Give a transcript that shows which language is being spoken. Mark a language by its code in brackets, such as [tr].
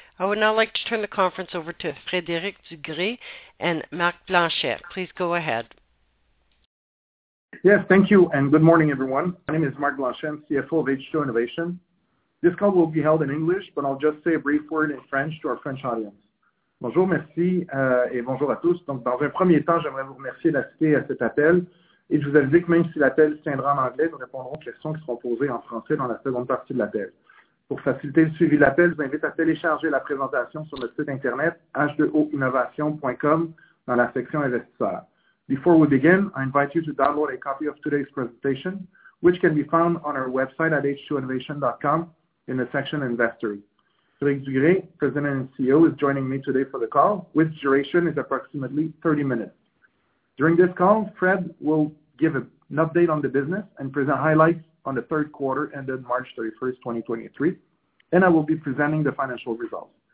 [en] I would now like to turn the conference over to Frédéric Dugré and Marc Blanchet. Please go ahead. Yes, thank you, and good morning, everyone. My name is Marc Blanchet, CFO of H2O Innovation. This call will be held in English, but I'll just say a brief word in French to our French audience. [fr] Bonjour, merci, et bonjour à tous. Donc, dans un premier temps, j'aimerais vous remercier d'assister à cet appel, et je vous indique que même si l'appel se tiendra en anglais, nous répondrons aux questions qui seront posées en français dans la seconde partie de l'appel. Pour faciliter le suivi de l'appel, je vous invite à télécharger la présentation sur notre site Internet, h2oinnovation.com, dans la section Investisseurs. [en] Before we begin, I invite you to download a copy of today's presentation, which can be found on our website at h2oinnovation.com in the section Investors. Frédéric Dugré, President and CEO, is joining me today for the call, which duration is approximately 30 minutes. During this call, Fred will give an update on the business and present highlights on the third quarter ended March 31st, 2023, and I will be presenting the financial results.